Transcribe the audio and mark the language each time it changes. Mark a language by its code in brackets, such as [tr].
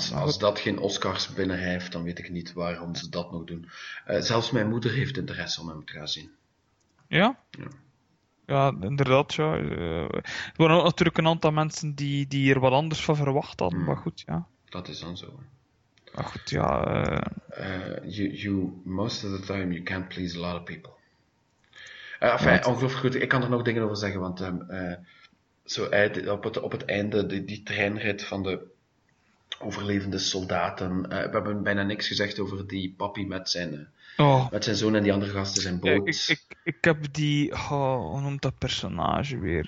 [nl] Als dat geen Oscars binnen heeft, dan weet ik niet waarom ze dat nog doen. Zelfs mijn moeder heeft interesse om hem te gaan zien. Ja? Ja, inderdaad. Ja. Er waren natuurlijk een aantal mensen die er wat anders van verwacht hadden, maar goed, ja. Dat is dan zo. Maar goed, ja. [en] You, most of the time, you can't please a lot of people. [nl] Ongelooflijk goed. Ik kan er nog dingen over zeggen, want... Zo, op het einde, die treinrit van de overlevende soldaten. We hebben bijna niks gezegd over die papi met zijn, met zijn zoon en die andere gasten zijn boot. Ik heb die, hoe noemt dat personage weer?